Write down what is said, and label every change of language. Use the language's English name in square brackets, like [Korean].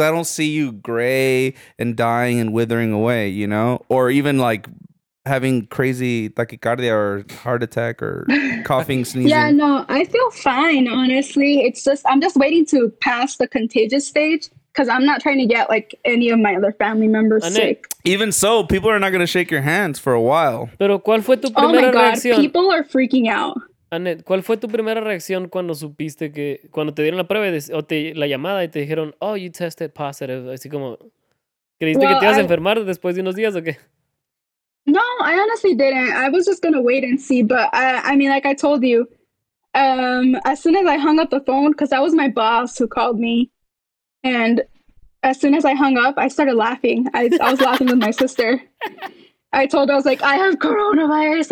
[English] I don't see you gray and dying and withering away, you know, or even like having crazy tachycardia or heart attack or coughing, sneezing. Yeah, no, I feel fine, honestly. It's just, I'm just waiting to pass the contagious stage because I'm not trying to get, like, any of my other family members sick. Even so, people are not going to shake your hands for a while. [Spanish] Pero ¿cuál fue tu primera reacción? [English] People are freaking out. [Spanish] Anette, ¿cuál fue tu primera reacción cuando supiste que, cuando te dieron la prueba o la llamada y te dijeron, [English] oh, you tested positive, [Spanish] así como, ¿creíste que te ibas a enfermar después de unos días o qué? [English] No, I honestly didn't. I was just going to wait and see. But I mean, like I told you, as soon as I hung up the phone, because that was my boss who called me. And as soon as I hung up, I started laughing. I was laughing with my sister. I told her, I was like, I have coronavirus.